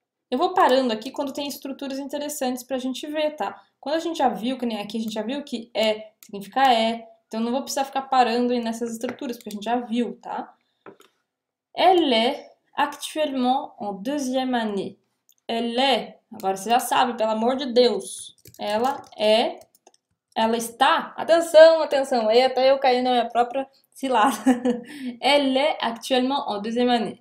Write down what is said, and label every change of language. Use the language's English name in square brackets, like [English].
[Portuguese] Eu vou parando aqui quando tem estruturas interessantes para a gente ver, tá? Quando a gente já viu, que nem aqui a gente já viu que é significa é, então não vou precisar ficar parando aí nessas estruturas, porque a gente já viu, tá? [French] Elle est actuellement en deuxième année. Elle est. [Portuguese] Agora você já sabe, pelo amor de Deus. Ela é. Ela está. Atenção, atenção. Aí até eu caí na minha própria cilada. [French] Elle est actuellement en deuxième année.